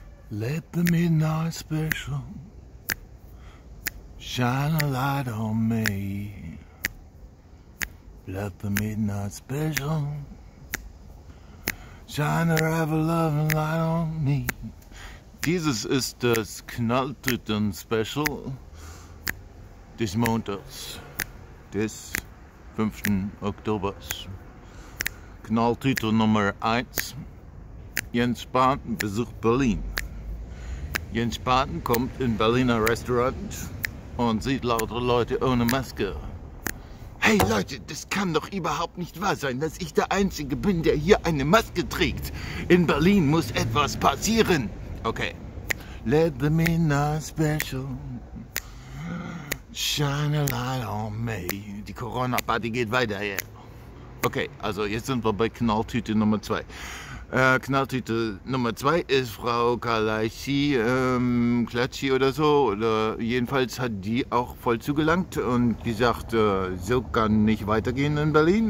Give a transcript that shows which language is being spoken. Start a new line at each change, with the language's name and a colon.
English: Let the midnight special shine a light on me. Let the midnight special shine a ever loving light on me.
German: Dieses ist das Knalltüten-Special des Montags, des 5. Oktober. Knalltüte Nummer 1. Jens Spahn besucht Berlin. Jens Spahn kommt in Berliner Restaurant und sieht lauter Leute ohne Maske. Hey Leute, das kann doch überhaupt nicht wahr sein, dass ich der Einzige bin, der hier eine Maske trägt. In Berlin muss etwas passieren. Okay.
English: Let the midnight special shine a light on me.
German: Die Corona-Party geht weiter, ja. Yeah. Okay, also jetzt sind wir bei Knalltüte Nummer 2. Knalltüte Nummer 2 ist Frau Kalaisi, Klatschi oder so. Oder jedenfalls hat die auch voll zugelangt und gesagt, so kann nicht weitergehen in Berlin.